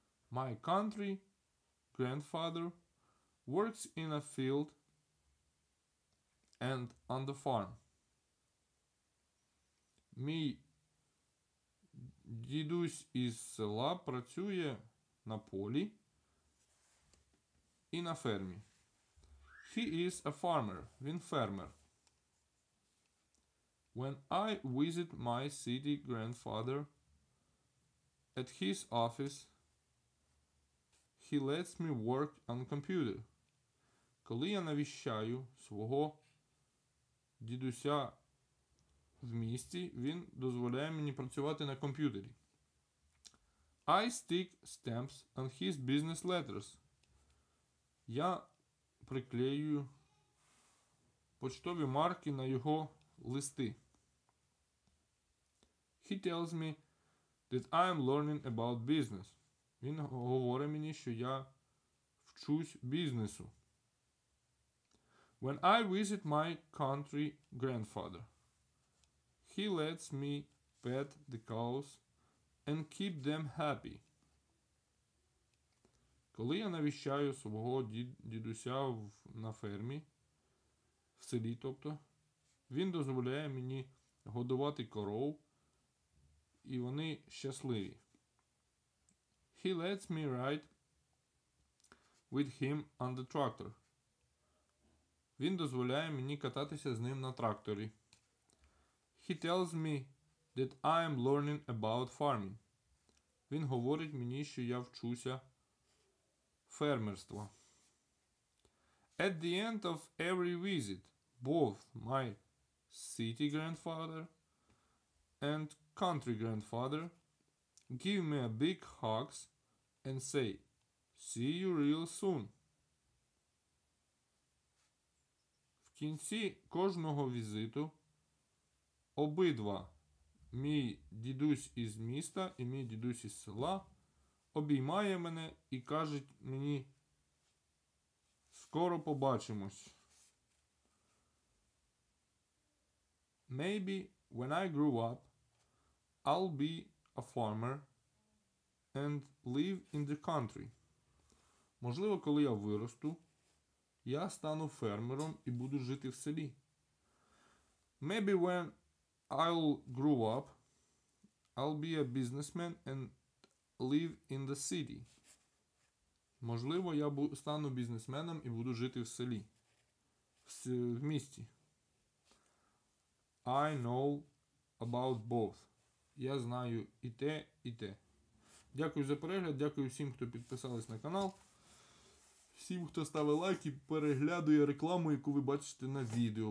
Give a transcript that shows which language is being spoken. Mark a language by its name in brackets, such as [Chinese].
[English] My country grandfather works in a field and on the farm. [Ukrainian] Мій дідусь із села працює на полі і на фермі. [English] He is a farmer. [Ukrainian] Він фермер. [English] When I visit my city grandfather at his office, he lets me work on computer. [Ukrainian] Коли я навіщаю свого дідуся в місті, він дозволяє мені працювати на комп'ютері. [English] I stick stamps on his business letters. [Ukrainian] Я приклею поштові марки на його листи. [English] He tells me that I am learning about business. [Ukrainian] Він говорить мені, що я вчусь бізнесу. [English] When I visit my country grandfather, he lets me pet the cows and keep them happy. [Ukrainian] Коли я навіщаю свого дідуся на фермі, в селі, тобто, він дозволяє мені годувати коров, і вони щасливі. [English] He lets me ride with him on the tractor. [Ukrainian] Він дозволяє мені кататися з ним на тракторі. [English] He tells me that I am learning about farming. [Ukrainian] Він говорить мені, що я вчуся фермерства. [English] At the end of every visit, both my city grandfather and country grandfather give me a big hug and say, "See you real soon." [Ukrainian] В кінці кожного візиту обидва, мій дідусь із міста і мій дідусь із села, обіймає мене і каже мені, "Скоро побачимось." [English] Maybe when I grew up, I'll be a farmer and live in the country. [Ukrainian] Можливо, коли я виросту, я стану фермером і буду жити в селі. [English] Maybe when I'll grow up, I'll be a businessman and live in the city. [Ukrainian] Можливо, я стану бізнесменом і буду жити в селі. В місті. [English] I know about both. [Ukrainian] Я знаю і те, і те. Дякую за перегляд, дякую всім, хто підписались на канал. Всім, хто ставить лайк і переглядує рекламу, яку ви бачите на відео.